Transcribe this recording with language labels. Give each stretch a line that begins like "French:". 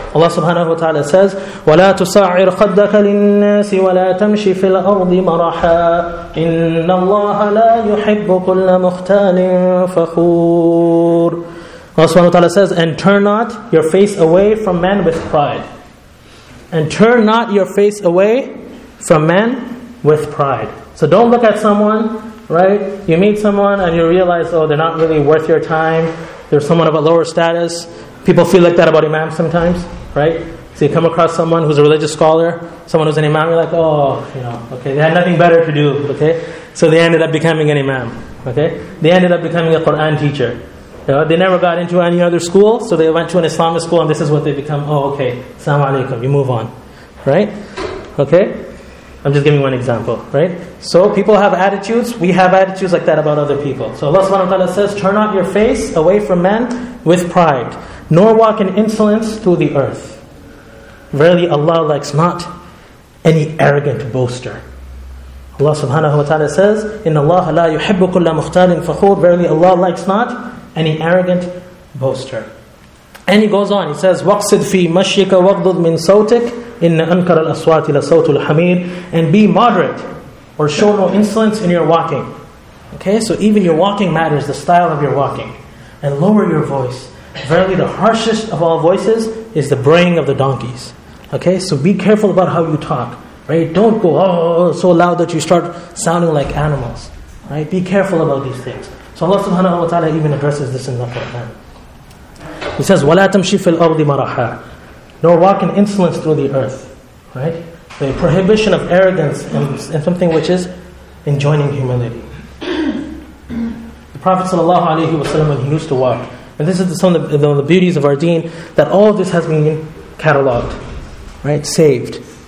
English: Allah subhanahu wa ta'ala says,
Arabic: وَلَا تُسَعِّرْ خَدَّكَ لِلنَّاسِ وَلَا تَمْشِ فِي الْأَرْضِ مَرَحًا إِنَّ اللَّهَ لَا يُحِبُّ كُلَّ مُخْتَالٍ فَخُورٍ.
English: Allah subhanahu wa ta'ala says, and turn not your face away from men with pride. And turn not your face away from men with pride. So don't look at someone, right? You meet someone and you realize, oh, they're not really worth your time. They're someone of a lower status. People feel like that about imams sometimes, right? So you come across someone who's a religious scholar, someone who's an imam, you're like, oh, you know, okay, they had nothing better to do, okay? So they ended up becoming an imam, okay? They ended up becoming a Quran teacher. You know, they never got into any other school, so they went to an Islamic school, and this is what they become. Oh, okay, assalamu alaikum, you move on, right? Okay? I'm just giving one example, right? So people have attitudes, we have attitudes like that about other people. So Allah subhanahu wa ta'ala says, turn not your face away from men with pride, nor walk in insolence through the earth. Verily Allah likes not any arrogant boaster. Allah subhanahu wa ta'ala says,
Arabic: إِنَّ اللَّهَ لَا يُحِبُّ كُلَّ مُخْتَالٍ فَخُورٍ.
English: Verily Allah likes not any arrogant boaster. And he goes on, he says,
Arabic: وَقْصِدْ فِي مَشْيِكَ وَغْضُضْ مِنْ صَوْتِكَ إِنَّ أَنْكَرَ الْأَصْوَاتِ لَصَوْتُ الْحَمِيرِ.
English: And be moderate, or show no insolence in your walking. Okay, so even your walking matters, the style of your walking. And lower your voice. Verily the harshest of all voices is the braying of the donkeys. Okay, so be careful about how you talk. Right? Don't go, so loud that you start sounding like animals. Right? Be careful about these things. So Allah subhanahu wa ta'ala even addresses this in the Quran. He says,
Arabic: وَلَا تَمْشِي فِي الْأَرْضِ مَرَحًا.
English: Nor walk in insolence through the earth. Right? The prohibition of arrogance and something which is enjoining humility. The Prophet sallallahu alaihi wasallam, when he used to walk, and this is some of the beauties of our deen, that all of this has been catalogued, right? Saved.